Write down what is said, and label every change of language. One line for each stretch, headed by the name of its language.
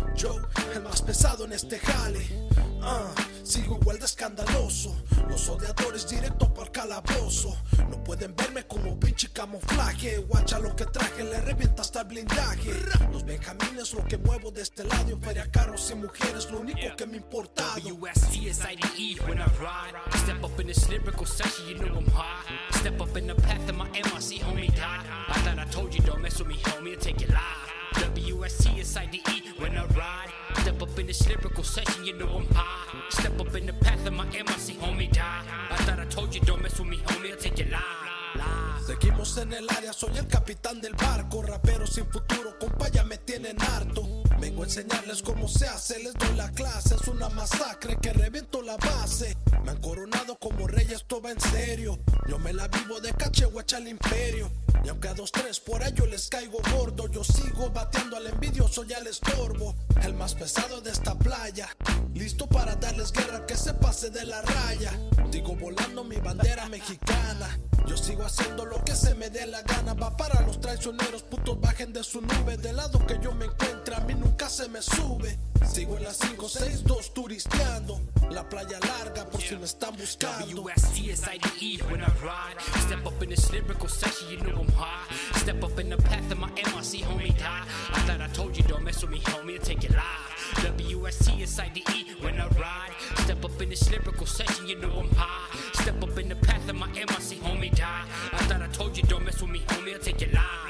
Spanish: Yo, el más pesado en este jale. Sigo igual de escandaloso. Los odiadores directo para el calabozo. No pueden verme como pinche camuflaje. Guacha lo que traje, le revienta hasta el blindaje. Los benjamines lo que muevo de este lado. Feria, carros y mujeres, lo único que me importa.
English: WSCSIDE when I ride. Step up in this lyrical session, you know I'm high. Step up in the path of my MIC, homie, die. I thought I told you, don't mess with me, homie, I'll take it live. WSCSIDE when I ride. Step up in this lyrical session, you know I'm high. Step up in the path of my MIC, homie, die. I thought I told you, don't mess with me, homie, I'll take it live.
Spanish: Seguimos en el área, soy el capitán del barco. Rapero sin futuro, compa, ya me tienen harto. Vengo a enseñarles cómo se hace, les doy la clase. Es una masacre que reviento la base. Me han coronado como rey, esto va en serio. Yo me la vivo de caché, guacha al imperio. Y aunque a dos, tres, por ello les caigo gordo. Yo sigo bateando al envidioso y al estorbo. El más pesado de esta playa. Listo para darles guerra que se pase de la raya. Sigo volando mi bandera mexicana. Yo sigo haciendo lo que se me dé la gana. Va para los traicioneros, putos, bajen de su nube. Del lado que yo me encuentre, a mí nunca se me sube. Sigo en la 562 turisteando. La playa larga por si me están buscando.
English: WSCSIDE when I ride. Step up in this lyrical session, you know I'm high. Step up in the path of my MIC, homie, die. I thought I told you, don't mess with me, homie, I'll take it live. WSCSIDE when I ride. Step up in this lyrical session, you know I'm high. Step up in the path of my MIC, homie, die. I thought I told you, don't mess with me, homie, I'll take it live.